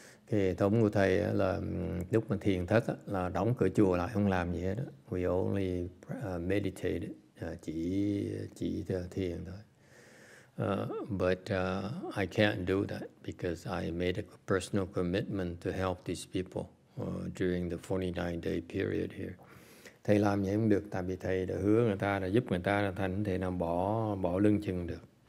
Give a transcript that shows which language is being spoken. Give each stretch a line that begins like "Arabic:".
Vietnamese: Cái thống của thầy là lúc mà thiền thất là đóng cửa chùa lại không làm gì hết.
English: We only meditate,
Vietnamese: chỉ thiền thôi.
English: I can't do that because I made a personal commitment to help these people during the 49-day period here.
Vietnamese: Thầy làm vậy không được, tại vì thầy đã hứa người ta, đã giúp người ta, thành không thể nào bỏ lưng chừng được.